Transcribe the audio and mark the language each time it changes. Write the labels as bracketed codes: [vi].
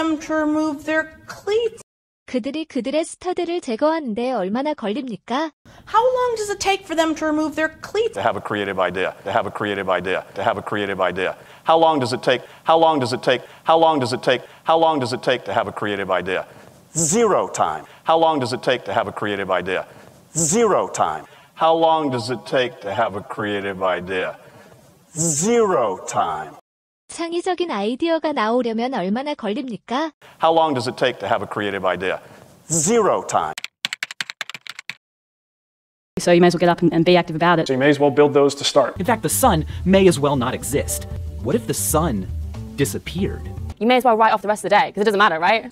[en] How long does it take for them to remove their cleats? [ko] 그들이 그들의 스터드를 제거하는데 얼마나 걸립니까? [en] How long does it take for them to remove their cleats? To have a creative idea. How long does it take to have a creative idea? Zero time. How long does it take to have a creative idea? Zero time. [ko] 창의적인 아이디어가 나오려면 얼마나 걸립니까? [en] How long does it take to have a creative idea? Zero time. So you may as well get up and be active about it. So you may as well build those to start. In fact, the sun may as well not exist. What if the sun disappeared? You may as well write off the rest of the day, because it doesn't matter, right?